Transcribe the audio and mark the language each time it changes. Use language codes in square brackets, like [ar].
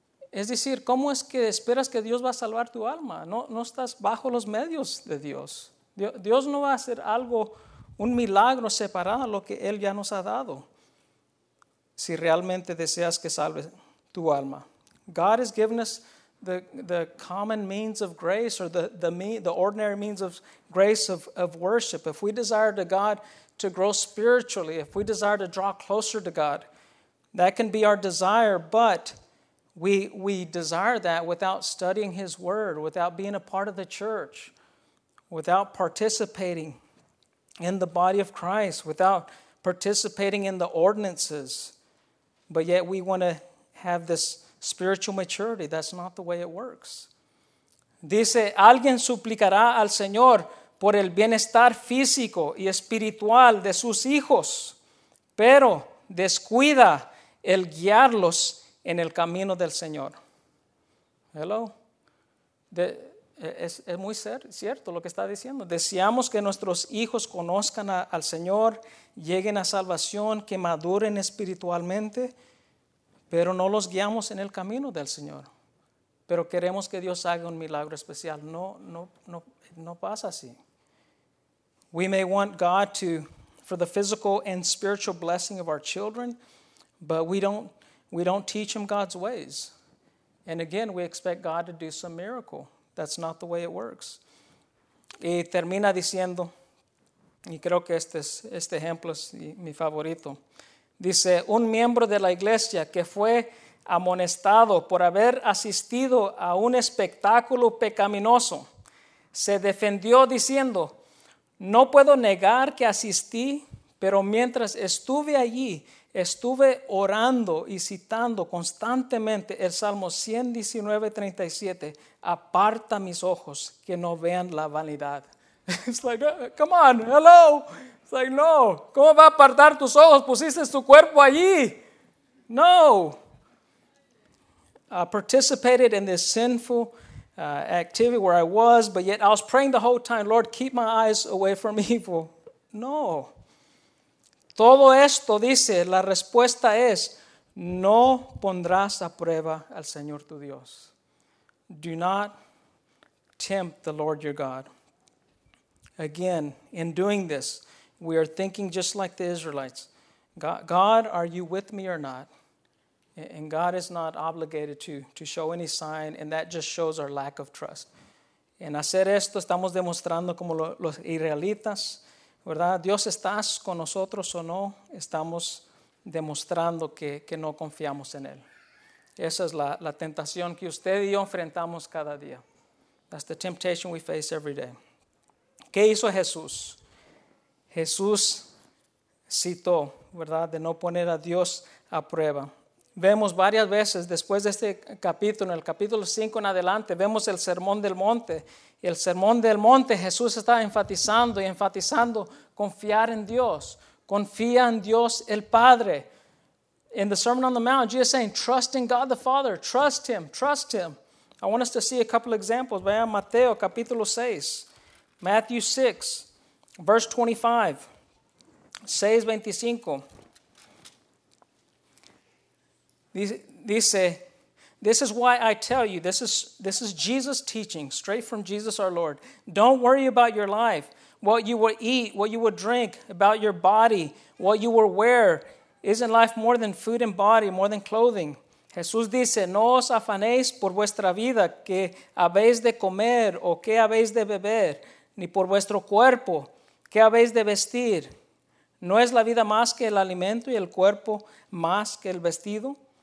[es] Es decir, ¿cómo es que esperas que Dios va a salvar tu alma? No estás bajo los medios de Dios. Dios no va a hacer algo, un milagro separado a lo que Él ya nos ha dado, si realmente deseas que salve tu alma. [en] God has given us the common means of grace, or the ordinary means of grace of worship. If we desire to God to grow spiritually, if we desire to draw closer to God, that can be our desire, but we desire that without studying His Word, without being a part of the church, without participating in the body of Christ, without participating in the ordinances. But yet we want to have this spiritual maturity. That's not the way it works. [es] Dice, alguien suplicará al Señor por el bienestar físico y espiritual de sus hijos, pero descuida el guiarlos en el camino del Señor. Hello? Es muy cierto lo que está diciendo. Deseamos que nuestros hijos conozcan al Señor, lleguen a salvación, que maduren espiritualmente, pero no los guiamos en el camino del Señor. Pero queremos que Dios haga un milagro especial. No pasa así. [en] We may want God to, for the physical and spiritual blessing of our children, but we don't teach them God's ways. And again, we expect God to do some miracle. That's not the way it works. [es] Y termina diciendo, y creo que este ejemplo es mi favorito. Dice, un miembro de la iglesia que fue amonestado por haber asistido a un espectáculo pecaminoso, se defendió diciendo, no puedo negar que asistí, pero mientras estuve allí, estuve orando y citando constantemente el Salmo 119:37, aparta mis ojos que no vean la vanidad. [en] It's like, come on, hello. It's like, no, [es] ¿cómo va a apartar tus ojos? Pusiste tu cuerpo allí. No. [en] I participated in this sinful activity where I was, but yet I was praying the whole time, Lord, keep my eyes away from evil. No. [es] Todo esto, dice, la respuesta es, no pondrás a prueba al Señor tu Dios. [en] Do not tempt the Lord your God. Again, in doing this, we are thinking just like the Israelites. God, are you with me or not? And God is not obligated to show any sign, and that just shows our lack of trust. [es] En hacer esto, estamos demostrando como los israelitas, ¿verdad? Dios, ¿estás con nosotros o no? Estamos demostrando que no confiamos en Él. Esa es la tentación que usted y yo enfrentamos cada día. [en] That's the temptation we face every day. [es] ¿Qué hizo Jesús? Jesús citó, ¿verdad?, de no poner a Dios a prueba. Vemos varias veces después de este capítulo, en el capítulo 5 en adelante, vemos el Sermón del Monte. El Sermón del Monte, Jesús está enfatizando confiar en Dios. Confía en Dios el Padre. [en] In the Sermon on the Mount, Jesus is saying, trust in God the Father. Trust Him. Trust Him. I want us to see a couple of examples. [es] Vean Mateo, capítulo 6. [en] Matthew 6, verse 25. [es] 6:25. [en] Dice, this is why I tell you, this is Jesus teaching, straight from Jesus our Lord. Don't worry about your life, what you will eat, what you will drink, about your body, what you will wear. Isn't life more than food and body, more than clothing? [es] Jesús dice, no os afanéis por vuestra vida, que habéis de comer o que habéis de beber, ni por vuestro cuerpo, que habéis de vestir. ¿No es la vida más que el alimento y el cuerpo más que el vestido?